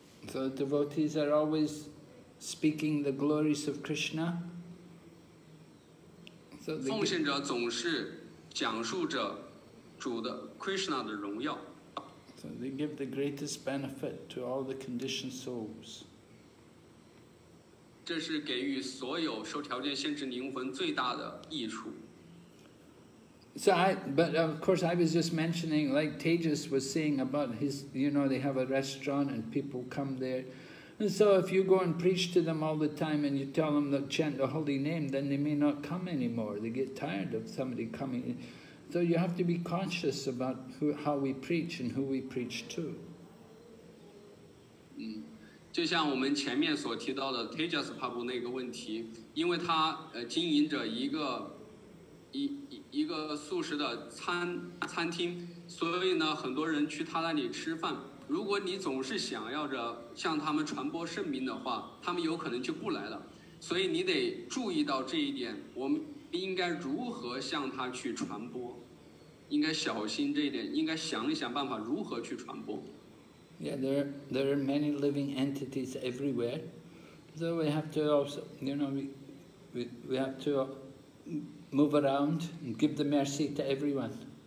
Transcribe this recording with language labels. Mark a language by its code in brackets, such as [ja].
[en] So devotees are always speaking the glories of Krishna. So the [zh] 奉献者总是讲述着主的 Krishna 的荣耀。 [en] So they give the greatest benefit to all the conditioned souls. [zh] 这是给予所有受条件限制灵魂最大的益处。 [en] But of course I was just mentioning, like Tejas was saying about his, you know, they have a restaurant and people come there. And so if you go and preach to them all the time and you tell them to chant the holy name, then they may not come anymore. They get tired of somebody coming. So you have to be conscious about how we preach and who we preach to. [zh] 就像我们前面所提到的 Tejas Prabhu 那个问题，因为他经营着一个素食的餐厅，所以呢，很多人去他那里吃饭。如果你总是想要着向他们传播圣名的话，他们有可能就不来了。所以你得注意到这一点，我们应该如何向他去传播，应该小心这一点，应该想一想办法如何去传播。 [en] Yeah, there are many living entities everywhere, so we have to also, you know, we have to. Move around and give the mercy to everyone.